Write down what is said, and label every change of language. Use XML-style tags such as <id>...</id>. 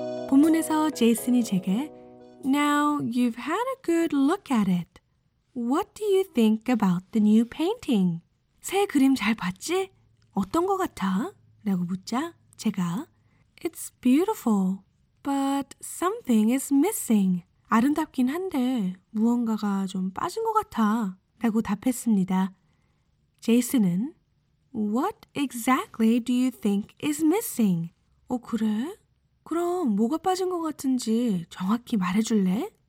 <ko>본문에서 제이슨이 제게</ko> <en>Now you've had a good look at it. What do you think about the new painting?</en> <ko>새 그림 잘 봤지? 어떤 거 같아? 라고 묻자 제가</ko> <en>It's beautiful, but something is missing.</en> <ko>아름답긴 한데 무언가가 좀 빠진 거 같아. 라고 답했습니다.</ko> <en>제이슨은 What exactly do you think is missing?</en> <ko>어, 그래? 그럼 뭐가 빠진 것 같은지 정확히 말해줄래?</ko>